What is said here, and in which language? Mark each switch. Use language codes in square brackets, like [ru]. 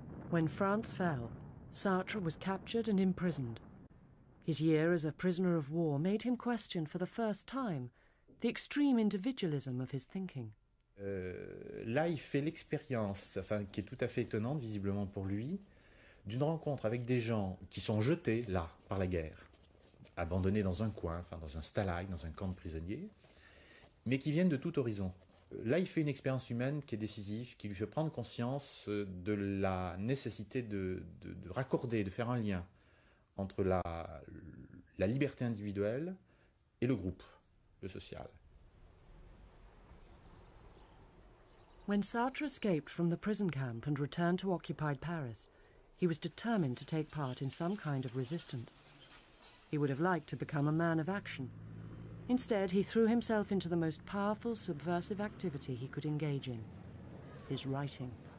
[en] When France fell, Sartre was captured and imprisoned. His year as a prisoner of war made him question for the first time the extreme individualism of his thinking. [fr] Là, il fait l'expérience, enfin, qui est tout à fait étonnante, visiblement pour lui, d'une rencontre avec des gens qui sont jetés, là, par la guerre, abandonnés dans un coin, enfin, dans un stalag, dans un camp de prisonniers, mais qui viennent de tout horizon. Là, il fait une expérience humaine qui est décisive, qui lui fait prendre conscience de la nécessité de raccorder, de faire un lien entre la liberté individuelle et le groupe, le social. [en] When Sartre escaped from the prison camp and returned to occupied Paris, he was determined to take part in some kind of resistance. He would have liked to become a man of action. Instead, he threw himself into the most powerful subversive activity he could engage in, his writing.